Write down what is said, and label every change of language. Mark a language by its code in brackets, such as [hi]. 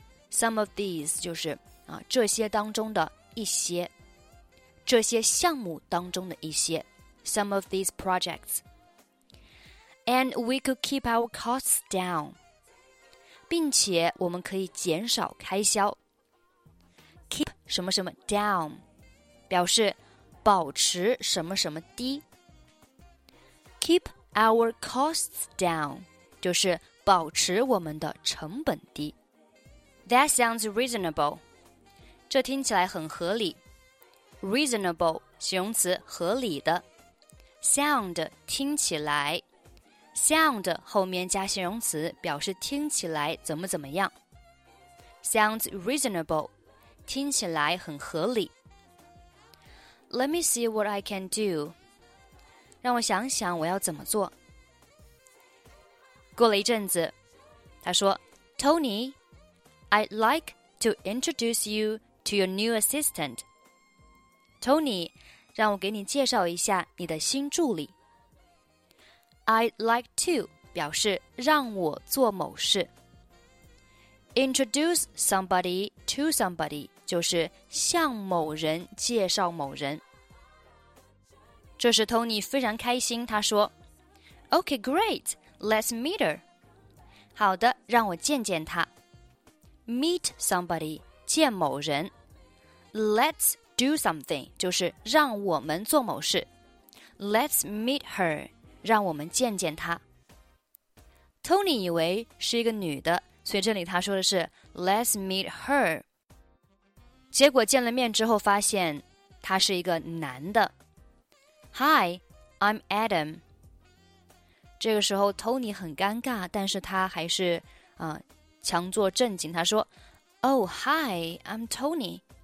[en] Some of these [zh] 就是、这些当中的一些，这些项目当中的一些。 [en] Some of these projects. And we could keep our costs down. [zh] 并且我们可以减少开销。Keep 什么什么 down 表示保持什么什么低。 [en] Keep our costs down [zh] 就是保持我们的成本低。 [en] That sounds reasonable. [zh] 这听起来很合理。 Reasonable, 形容词合理的。 Sound, 听起来。 Sound, 后面加形容词表示听起来怎么怎么样。 Sounds reasonable, 听起来很合理。 [en] Let me see what I can do. [zh] 让我想想我要怎么做。过了一阵子，他说 [en] Tony,I'd like to introduce you to your new assistant. [zh] Tony, 让我给你介绍一下你的新助理。 [en] I'd like to [zh] 表示让我做某事。 [en] Introduce somebody to somebody [zh] 就是向某人介绍某人。这时 Tony 非常开心，他说 [en] OK, great, let's meet her. [zh] 好的，让我见见她。 Meet somebody, 见某人。 [en] Let's do something, [zh] 就是让我们做某事。 [en] Let's meet her, [zh] 让我们见见她。 Tony 以为是一个女的，所以这里他说的是 [en] Let's meet her。 [zh] 结果见了面之后发现他是一个男的。 [en] Hi, I'm Adam。 [zh] 这个时候 Tony 很尴尬，但是他还是强作正经，他说 [en] Oh, hi, I'm Tony.